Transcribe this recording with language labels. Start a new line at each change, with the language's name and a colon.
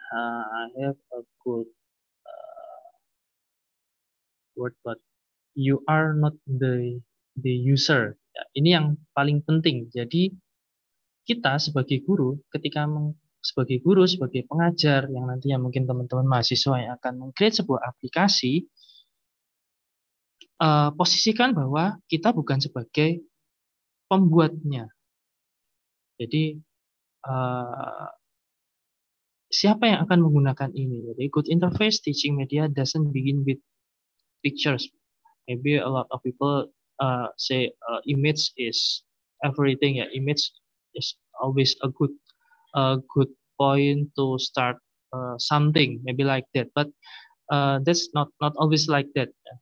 English: I have a good word, but you are not the user.
Indonesian: Ya, ini yang paling penting. Jadi kita sebagai guru, sebagai pengajar yang nantinya mungkin teman-teman mahasiswa yang akan meng-create sebuah aplikasi, posisikan bahwa kita bukan sebagai pembuatnya. Jadi siapa yang akan menggunakan ini? Jadi
English: good interface teaching media doesn't begin with pictures. Maybe a lot of people say image is everything. Yeah, image is always a good point to start something, maybe like that, but that's not always like that.